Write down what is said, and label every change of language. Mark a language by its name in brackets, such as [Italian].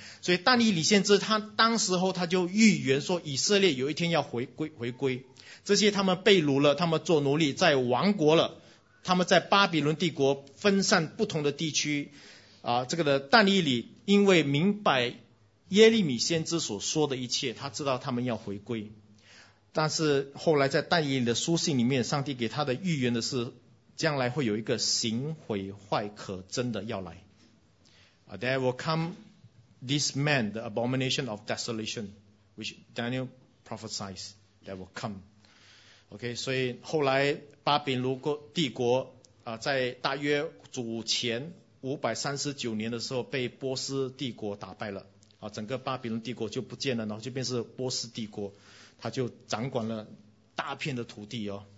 [Chinese] 所以但以理先知他当时候他就预言说，以色列有一天要回归，这些他们被掳了，他们做奴隶在亡国了，他们在巴比伦帝国分散不同的地区这个的但以理因为明白耶利米先知所说的一切，他知道他们要回归。但是后来在但以理的书信里面，上帝给他的预言的是，将来会有一个行毁坏可憎的要来。 [English] There will come this man, the abomination of desolation, which Daniel prophesies. That will come. [Chinese] OK, 所以后来巴比伦帝国在大约主前539年的时候被波斯帝国打败了整个巴比伦帝国就不见了，然后就变成波斯帝国，他就掌管了大片的土地